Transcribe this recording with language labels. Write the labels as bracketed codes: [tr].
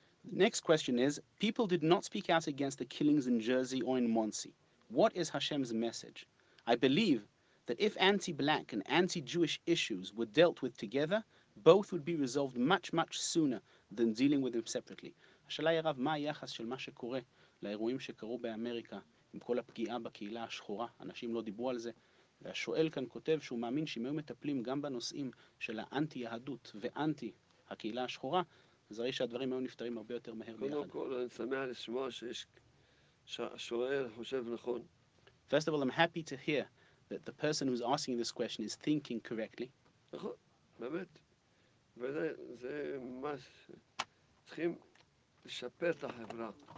[en] The next question is, people did not speak out against the killings in Jersey or in Monsey. What is Hashem's message? I believe that if anti-black and anti-Jewish issues were dealt with together, both would be resolved much, much sooner than dealing with them separately. [he] השאלה היא רב, מה היחס של מה שקורה לאירועים שקרו באמריקה עם כל הפגיעה בקהילה השחורה? אנשים לא דיברו על זה. והשואל כאן כותב שהוא מאמין שאם היו מטפלים גם בנושאים של האנטי-יהדות ואנטי הקהילה השחורה, אז הרי שהדברים היו נפטרים הרבה יותר מהר ביחד. קודם כל, אני שמח לשמוע שהשואל חושב נכון. [en] First of all, I'm happy to hear that the person who's asking this question is thinking correctly. [he] נכון, באמת. וזה ממש צריכים לשפר את החברה.